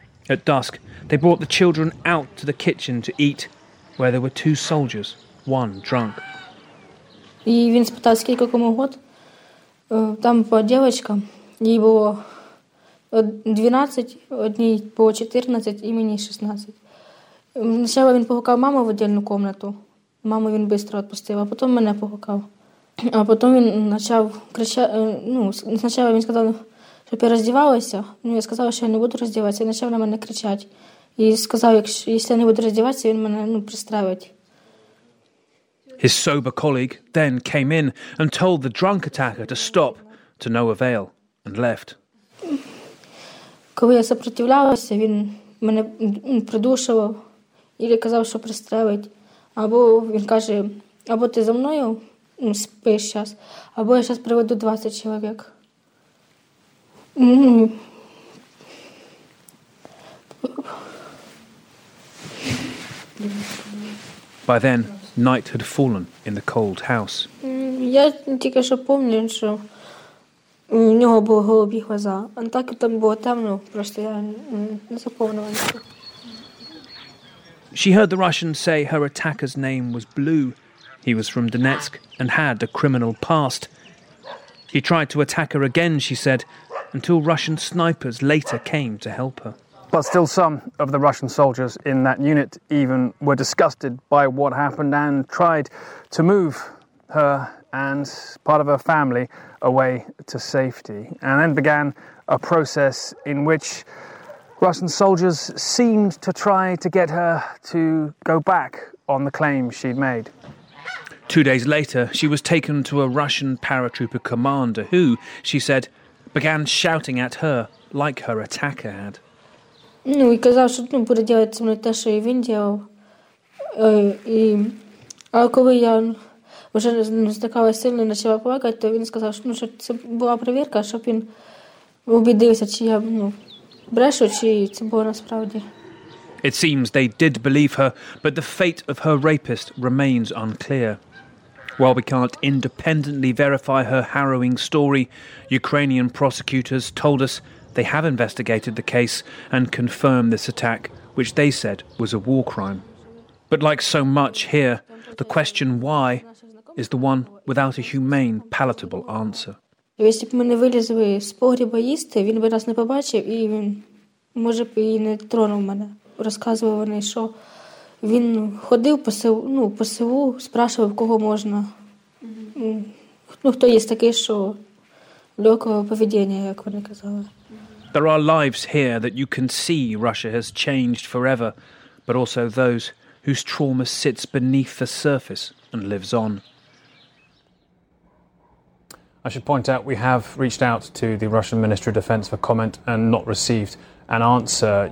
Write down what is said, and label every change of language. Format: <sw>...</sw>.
<en>At dusk, they brought the children out to the kitchen to eat, where there were two soldiers, one drunk.</en> <uk>Сначала він погукав маму в віддільну кімнату. Маму він швидко відпустив, а потім мене погукав. А потім він почав кричати, ну, спочатку він сказав, щоб я роздівалася. Ну, я сказала, що я не буду роздіватися, і почав на мене кричати. І сказав, якщо я не буду роздіватися, він мене, ну, пристраїть.</uk> <en>His sober colleague then came in and told the drunk attacker to stop, to no avail, and left.</en> <uk>Коли я сопротивлялася, він мене придушував. Или казав, що пристрелить. Або він каже, або ти за мною спиш зараз, або я зараз приведу 20 чоловік.</uk> <en>By then, night had fallen in the cold house.</en> <uk>Я тільки що пам'ятаю, що у нього були голубі глаза. А так там було темно, просто я не заповнювалася.</uk> <en>She heard the Russians say her attacker's name was Blue. He was from Donetsk and had a criminal past. He tried to attack her again, she said, until Russian snipers later came to help her. But still some of the Russian soldiers in that unit even were disgusted by what happened and tried to move her and part of her family away to safety. And then began a process in which Russian soldiers seemed to try to get her to go back on the claim she'd made. 2 days later, she was taken to a Russian paratrooper commander who, she said, began shouting at her like her attacker had.</en> <uk>Ну, і казав, що, ну, буде робити зі мною те, що і він робив. А коли я вже стикала сильно і почала плакати, то він сказав, що, ну, що це була перевірка, щоб він убедився, чи я, ну, брешу, чи це було насправді.</uk> <en>It seems they did believe her, but the fate of her rapist remains unclear. While we can't independently verify her harrowing story, Ukrainian prosecutors told us they have investigated the case and confirmed this attack, which they said was a war crime. But like so much here, the question why is the one without a humane, palatable answer.</en> <uk>Якщо б ми не вилізли з погріба їсти, він би нас не побачив і він, може б, і не тронув мене. Розказував вони, що він ходив по селу, ну, по селу, спрашував, кого можна. Ну, хто є такий, що легкого поведіння, як вони казали.</uk> <en>There are lives here that you can see Russia has changed forever, but also those whose trauma sits beneath the surface and lives on. I should point out we have reached out to the Russian Ministry of Defense for comment and not received an answer.</en>